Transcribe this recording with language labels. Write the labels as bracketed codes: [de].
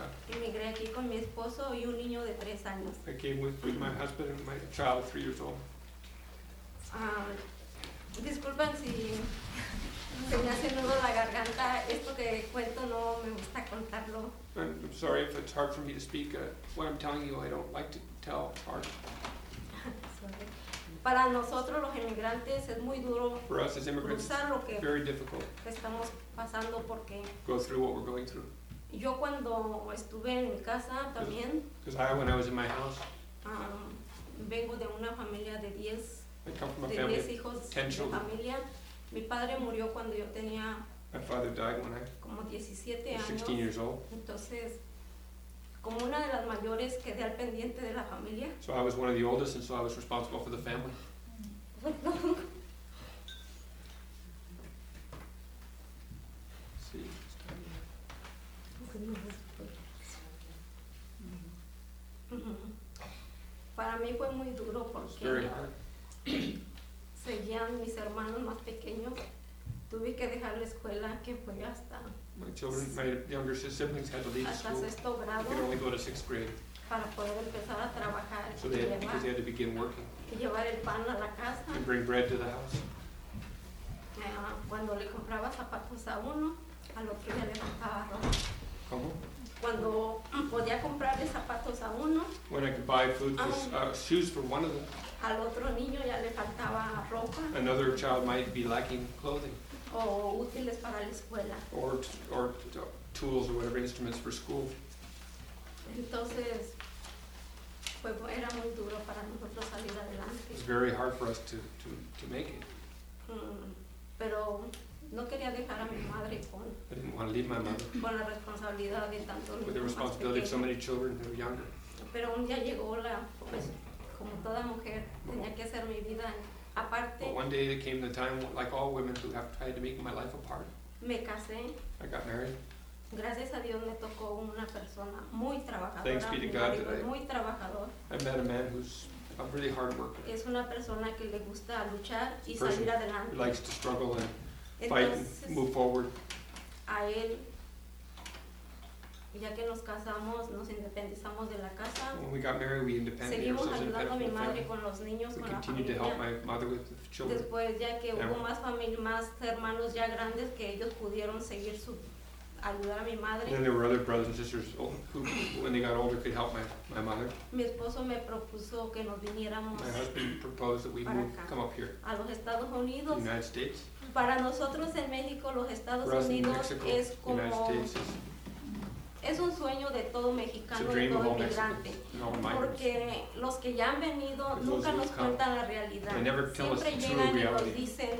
[es] Emigré aquí con mi esposo y un niño de 3 años. [en] I came with my husband and my child, 3 years old. [es] Disculpen si se me hace nudo la garganta. Esto que cuento no me gusta contarlo. [en] I'm sorry if it's hard for me to speak. What I'm telling you, I don't like to tell. It's hard. [es] Para nosotros los emigrantes es muy duro. [en] For us as immigrants, it's very difficult. [es] Estamos pasando porque. [en] Go through what we're going through. [es] Yo cuando estuve en mi casa también. [en] Because when I was in my house. [es] Vengo de una familia de 10. [en] I come from a family of 10 children. [es] Familia. Mi padre murió cuando yo tenía. [en] My father died when I [es] como 17 [en] was 16 [es] años. [en] Years old. [es] Entonces, como una de las mayores, quedé al pendiente de la familia. [en] So I was one of the oldest, and so I was responsible for the family. [es] Sí. Para mí fue muy duro porque seguían mis hermanos más pequeños. Tuve que dejar la escuela que fue hasta. [en] My children, my younger siblings had to leave [es] hasta [en] school. [es] Sexto grado. [en] They could only go to sixth grade. [es] Para poder empezar a trabajar. [en] So they had, they had to begin working. [es] Y llevar el pan a la casa. [en] And bring bread to the house. [es] Cuando le compraba zapatos a uno, al otro día le faltaba ropa. ¿Cómo? Cuando podía comprarle zapatos a uno. [en] When I could buy food for, shoes for one of them. [es] Al otro niño ya le faltaba ropa. [en] Another child might be lacking clothing. [es] O útiles para la escuela. [en] Or tools or whatever instruments for school. [es] Entonces, pues era muy duro para nosotros salir adelante. [en] It was very hard for us to make it. [es] Pero no quería dejar a mi madre con. [en] I didn't want to leave my mother. [es] Con la responsabilidad de tanto niño. [en] With the responsibility of so many children who are younger. [es] Pero un día llegó la. Pues, como toda mujer tenía que hacer mi vida aparte. [en] But one day there came the time, like all women who have tried to make my life apart. [es] Me casé. [en] I got married. [es] Gracias a Dios me tocó una persona muy trabajadora. [en] Thanks be to God that I [es] muy trabajador. [en] I met a man who's a really hard worker. [es] Es una persona que le gusta luchar y salir adelante. [en] Who likes to struggle and [es] entonces, [en] fight and move forward. [es] A él, ya que nos casamos, nos independizamos de la casa. [en] When we got married, we independized. [es] Seguimos ayudando a mi madre con los niños, con la familia. [en] We continued to help my mother with the children. [es] Después, ya que hubo más familia, más hermanos ya grandes, que ellos pudieron seguir su ayudar a mi madre. [en] Then there were other brothers and sisters who, when they got older, could help my mother. [es] Mi esposo me propuso que nos viniéramos. [en] My husband proposed that we move, come up here. [es] A los Estados Unidos. [en] United States. [es] Para nosotros en México, los Estados Unidos es como. Es un sueño de todo mexicano, de todo inmigrante, porque los que ya han venido nunca nos cuentan la realidad. Siempre llegan y nos dicen,